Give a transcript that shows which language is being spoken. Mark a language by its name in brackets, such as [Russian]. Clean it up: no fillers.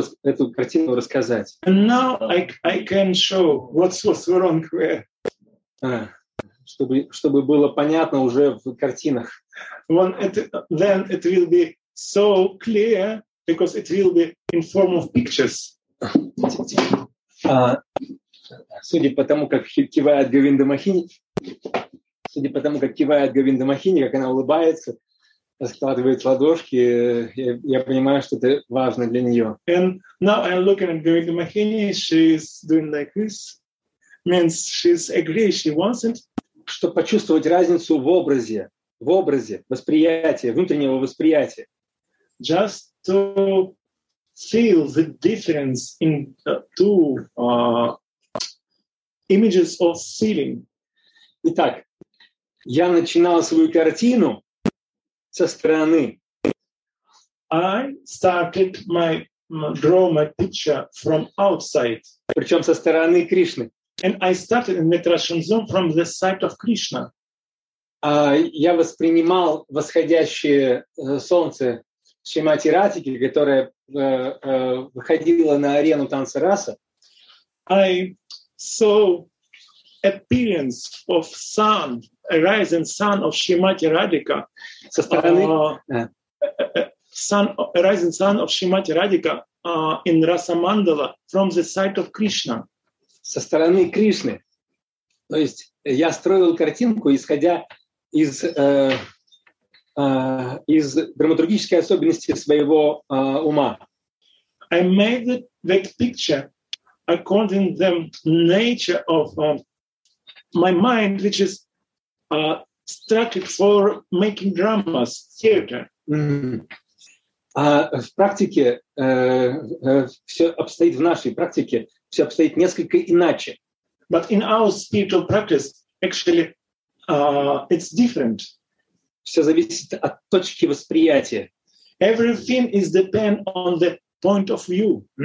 [English] And now I can show what was wrong where. [Russian] Чтобы было понятно уже в картинах. [English] Then it will be so clear, because it will be in form of pictures. [Russian] Судя по тому, как кивает Говинда Махини, как она улыбается, раскладывает ладошки, я понимаю, что это важно для нее. [English] And now I'm looking at Govinda Mahini, she's doing like this. Means she's agree, she wants it. [Russian] Чтобы почувствовать разницу в образе, восприятия, внутреннего восприятия. [English] just to feel the difference in two images of feeling. [Russian] Итак, я начинал свою картину со стороны. [English] I started my draw my picture from outside. [Russian] Причем со стороны Кришны. [English] And I started in the transition from the side of Krishna. [Russian] Я воспринимал восходящее солнце Шримати Ратики, которое выходило на арену танца раса. [English] I saw appearance of sun, a rising sun of Shrimati Radhika. [Russian] Со стороны [English] rising sun of Shrimati Radhika in Rasa Mandala from the side of Krishna. [Russian] Со стороны Кришны. То есть я строил картинку, исходя из из драматургической особенности своего ума. [English] I made the picture according to the nature of my mind, which is structured for making dramas, theater. Mm-hmm. [Russian] В практике все обстоит в нашей практике все обстоит несколько иначе. [English] But in our spiritual practice, actually, it's different. [Russian] Все зависит от точки восприятия. [English] Everything is depend on the point of view.